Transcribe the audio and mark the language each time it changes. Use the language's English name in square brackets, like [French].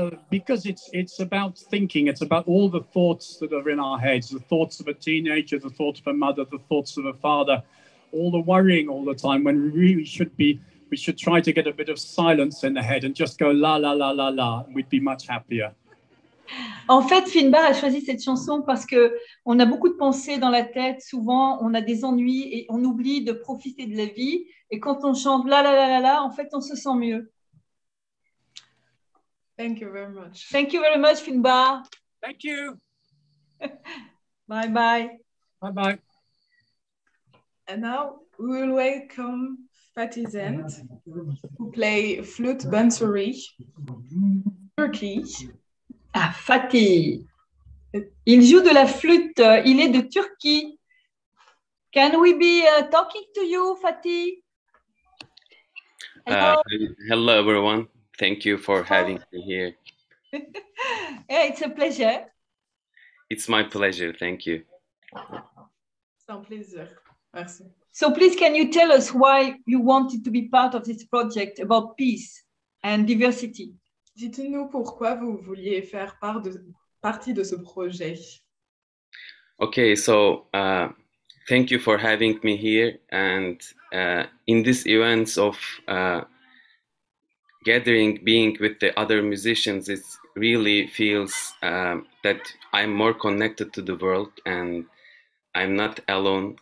[English] Because it's about thinking. It's about all the thoughts that are in our heads, the thoughts of a teenager, the thoughts of a mother, the thoughts of a father, all the worrying all the time when really we should try to get a bit of silence in the head and just go la la la la la, we'd be much happier. [French] En fait, Finbar a choisi cette chanson parce que on a beaucoup de pensées dans la tête. Souvent, on a des ennuis et on oublie de profiter de la vie. Et quand on chante la la la la la, en fait, on se sent mieux. [English] Thank you very much. Thank you very much, Finbar. Thank you. Bye bye. Bye bye. And now we will welcome Fatih Zent, who play flute Bansuri, Turkey. [French] Ah, Fatih, il joue de la flûte, il est de Turquie. [English] Can we be talking to you, Fatih? Hello, everyone. Thank you for having me here. Yeah, it's a pleasure. It's my pleasure. Thank you. [French] Sans plaisir. Merci. [English] So please, can you tell us why you wanted to be part of this project about peace and diversity? [French] Dites-nous pourquoi vous vouliez faire partie de ce projet. [English] Okay, so thank you for having me here. And in this event of gathering, being with the other musicians, it really feels that I'm more connected to the world and I'm not alone.